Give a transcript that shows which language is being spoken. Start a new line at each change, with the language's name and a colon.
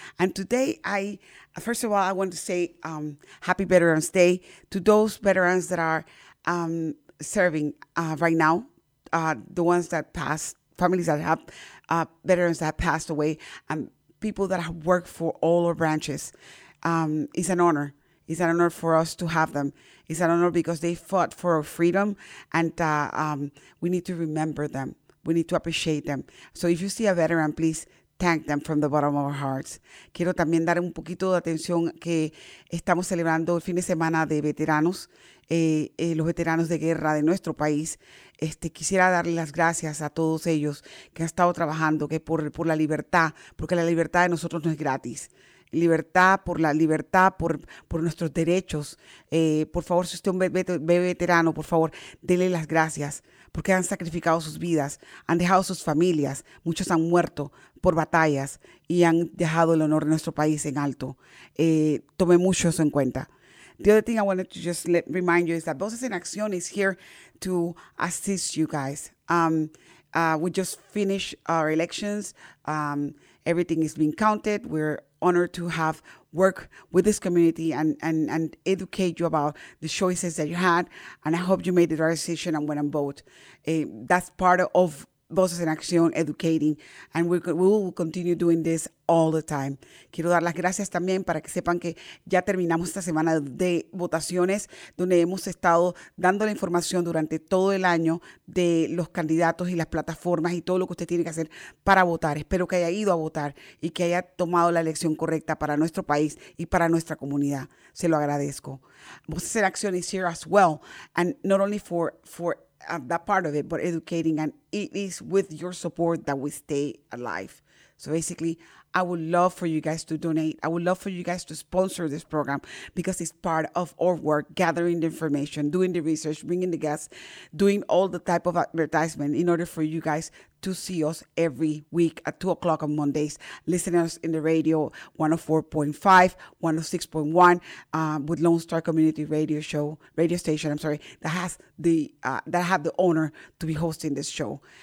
English: And today, I want to say happy Veterans Day to those veterans that are serving right now, the ones that passed, families that have veterans that have passed away, and people that have worked for all our branches. It's an honor. It's an honor for us to have them. It's an honor because they fought for our freedom, and we need to remember them. We need to appreciate them. So if you see a veteran, please thank them from the bottom of our hearts.
Spanish: Quiero también dar un poquito de atención que estamos celebrando el fin de semana de veteranos, los veteranos de guerra de nuestro país. Quisiera darle las gracias a todos ellos que han estado trabajando, que por la libertad, porque la libertad de nosotros no es gratis. Libertad por la libertad, por nuestros derechos. Por favor, si usted es un veterano, por favor, dele las gracias, porque han sacrificado sus vidas, han dejado sus familias, muchos han muerto por batallas y han dejado el honor de nuestro país en alto. Tome mucho eso en cuenta.
English: The other thing I wanted to just remind you is that Voces en Acción is here to assist you guys. We just finished our elections. Everything is being counted. We're honored to have work with this community and educate you about the choices that you had. And I hope you made the right decision and went and vote. That's part of Voces en Acción, educating. And we will continue doing this all the time.
Spanish: Quiero dar las gracias también para que sepan que ya terminamos esta semana de votaciones, donde hemos estado dando la información durante todo el año de los candidatos y las plataformas y todo lo que usted tiene que hacer para votar. Espero que haya ido a votar y que haya tomado la elección correcta para nuestro país y para nuestra comunidad. Se lo agradezco.
English: Voces en Acción is here as well, and not only for that part of it, but educating, and it is with your support that we stay alive. So basically, I would love for you guys to donate. I would love for you guys to sponsor this program because it's part of our work, gathering the information, doing the research, bringing the guests, doing all the type of advertisement in order for you guys to see us every week at 2:00 on Mondays, listening to us in the radio 104.5, 106.1, with Lone Star Community radio station, that have the honor to be hosting this show.